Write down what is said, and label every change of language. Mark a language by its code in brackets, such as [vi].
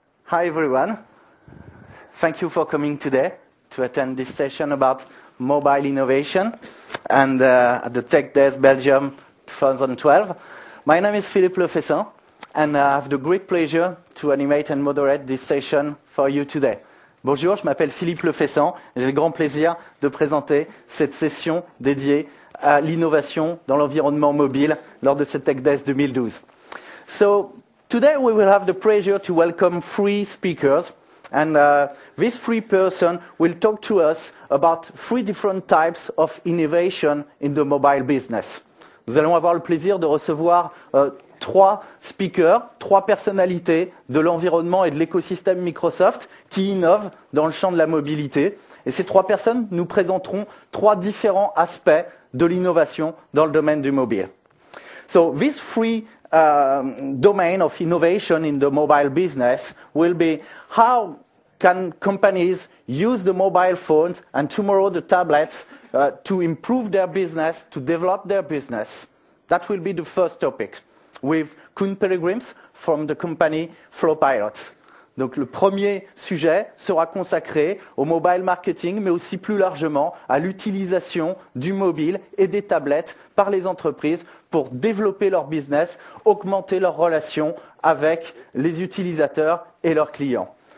[en] Hi everyone, thank you for coming today to attend this session about mobile innovation and at the Tech Days Belgium 2012. My name is Philippe Lefesson and I have the great pleasure to animate and moderate this session for you today. [fr] Bonjour, je m'appelle Philippe Lefesson et j'ai le grand plaisir de présenter cette session dédiée à l'innovation dans l'environnement mobile lors de cette Tech Days 2012. [en] So, today we will have the pleasure to welcome three speakers, and these three persons will talk to us about three different types of innovation in the mobile business. [fr] Nous allons avoir le plaisir de recevoir trois speakers, trois personnalités de l'environnement et de l'écosystème Microsoft qui innovent dans le champ de la mobilité. Et ces trois personnes nous présenteront trois différents aspects de l'innovation dans le domaine du mobile. [en] So these three domain of innovation in the mobile business will be how can companies use the mobile phones and tomorrow the tablets to improve their business, to develop their business. That will be the first topic with Koen Pellegrims from the company Flowpilot. [fr] Donc le premier sujet sera consacré au mobile marketing, mais aussi plus largement à l'utilisation du mobile et des tablettes par les entreprises pour développer leur business, augmenter leurs relations avec les utilisateurs et leurs clients.